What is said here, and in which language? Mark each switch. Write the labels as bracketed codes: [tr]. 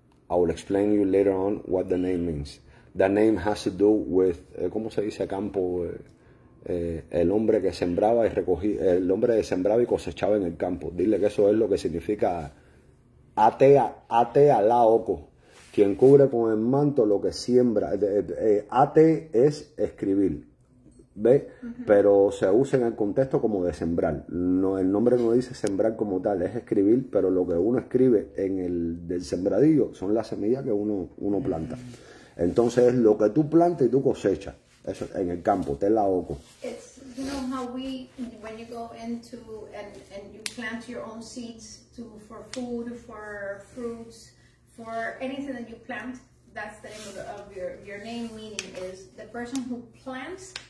[en] I will explain to you later on what the name means. The name has to do with, [es] ¿cómo se dice campo? El hombre que sembraba y recogía, el hombre que sembraba y cosechaba en el campo. Dile que eso es lo que significa Atealaoko. Quien cubre con el manto lo que siembra. Ate es escribir. ¿Ve? Uh-huh. Pero se usa en el contexto como de sembrar. No, el nombre no dice sembrar como tal, es escribir, pero lo que uno escribe en el del sembradillo son las semillas que uno planta. Uh-huh. Entonces es lo que tú plantas y tú cosechas. Eso en el campo, te la oco. [en] It's, you know how we, when you go into and you plant your own seeds to for food, for fruits, for anything that you plant, that's the name of your name, meaning is the person who plants.